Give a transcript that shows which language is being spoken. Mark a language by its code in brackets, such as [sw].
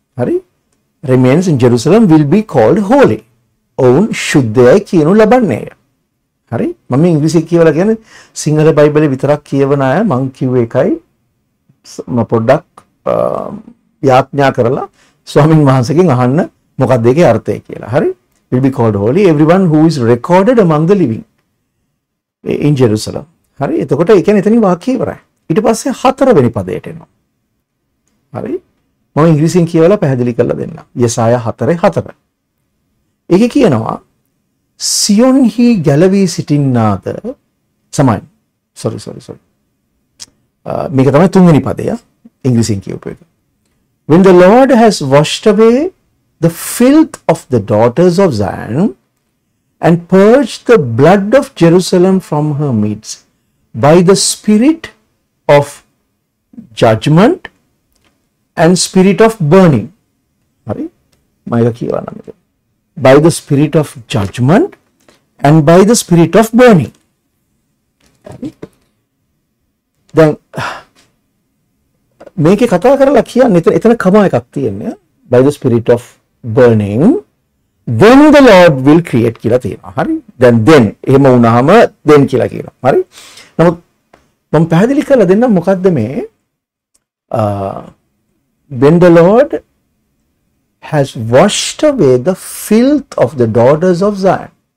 [en] හරි, remains in Jerusalem will be called holy, [si] ඔවුන් ශුද්ධයයි කියනු ලබන්නේය. හරි, මම ඉංග්‍රීසි කියවලා කියන්නේ සිංහල බයිබලේ විතරක් කියවන අය මං කිව්ව එකයි මම පොඩ්ඩක් යාඥා කරලා ස්වාමින් වහන්සේගෙන් අහන්න මොකක්ද ඒකේ අර්ථය කියලා. [en] හරි, will be called holy, everyone who is recorded among the living in Jerusalem. [si] හරි, එතකොට ඒ කියන්නේ එතනින් වාක්‍ය ඉවරයි. ඊට පස්සේ 4 වෙනි පදයට එනවා. හරි, මම ඉංග්‍රීසියෙන් කියවලා පැහැදිලි කරලා දෙන්නම්. යසාය 4:4. ඒකේ කියනවා සියොන්හි ගැලවී සිටින්නාද සමයි. [en] Sorry. [si] මේක තමයි 3 වෙනි පදය ඉංග්‍රීසියෙන් කියවපු එක. [en] When the Lord has washed away the filth of the daughters of Zion and purged the blood of Jerusalem from her midst by the spirit of judgment and spirit of burning. [si] හරි, මම කියවන්නම්. [en] By the spirit of judgment and by the spirit of burning. [si] දැන් මේකේ කතා කරලා කියන්නේ එතන කමා එකක් තියෙනවා. [en] By the spirit of burning then the Lord will create [si] කියලා තියෙනවා. හරි, then එහෙම වුණාම then කියලා කියනවා. හරි, නමුත් මම පැහැදිලි කරලා දෙන්නම් මොකද්ද මේ [en] when the Lord has washed away the filth of the daughters of Zion.